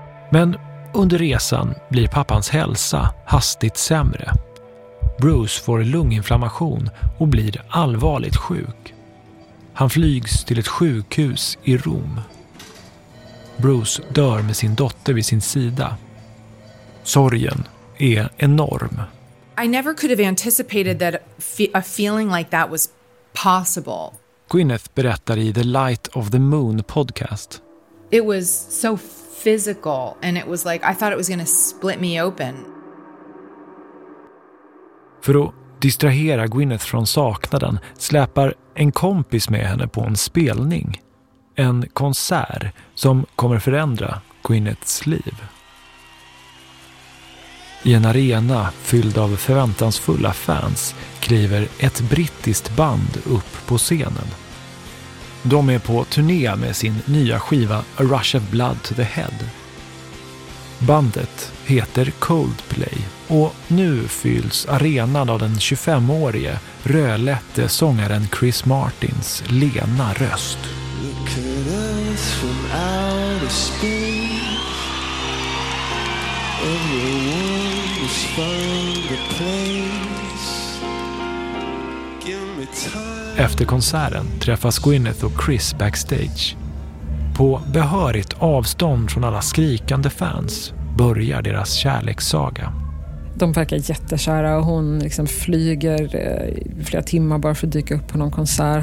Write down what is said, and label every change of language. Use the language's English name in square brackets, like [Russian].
[Swedish] Men under resan blir pappans hälsa hastigt sämre. Bruce får lunginflammation och blir allvarligt sjuk. Han flygs till ett sjukhus i Rom. Bruce dör med sin dotter vid sin sida. Sorgen är enorm. [English] I never could have anticipated that a feeling like that was possible. [Swedish] Gwyneth berättar i The Light of the Moon podcast. [English] It was so physical and it was like I thought it was going to split me open. [Swedish] För att distrahera Gwyneth från saknaden släpar en kompis med henne på en spelning. En konsert som kommer förändra Gwyneths liv. I en arena fylld av förväntansfulla fans kliver ett brittiskt band upp på scenen. De är på turné med sin nya skiva A Rush of Blood to the Head. Bandet heter Coldplay. Och nu fylls arenan av den 25-årige rödlätte sångaren Chris Martins lena röst. [English] Look at us from outer space. Everyone has found a place. Give me time. [Swedish] Efter konserten träffas Gwyneth och Chris backstage. På behörigt avstånd från alla skrikande fans börjar deras kärlekssaga. De verkar jättekära och hon liksom flyger flera timmar bara för att dyka upp på någon konsert.